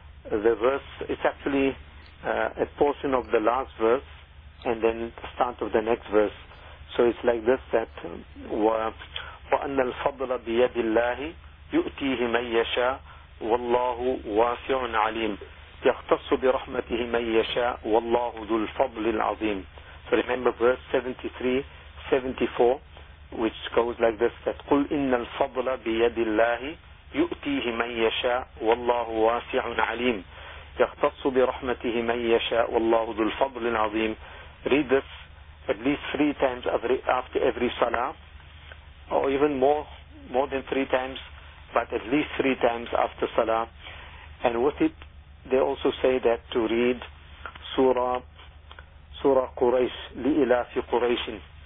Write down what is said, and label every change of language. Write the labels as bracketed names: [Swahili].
[English] The verse, it's actually a portion of the last verse and then the start of the next verse. So it's like this, that [Arabic] وَأَنَّ الْفَضْلَ بِيَدِ اللَّهِ يُؤْتِيهِ مَنْ يَشَاءُ وَاللَّهُ وَاسِعٌ عَلِيمٌ يَخْتَصُ بِرَحْمَتِهِ مَنْ يَشَاءُ وَاللَّهُ ذُو الْفَضْلِ الْعَظِيمِ. [English] So remember verse 73-74, which goes like this, that [Arabic] قُلْ إِنَّ الْفَضْلَ بِيَدِ اللَّهِ يُؤْتِيهِ مَنْ يَشَاءُ وَاللَّهُ وَاسِعٌ عَلِيمٌ يختص برحمته من يشاء والله ذو الفضل العظيم. [English] Read this at least 3 times after every salah, or even more than 3 times, but at least 3 times after salah. And with it they also say that to read Surah Quraysh, لإلاف قريش.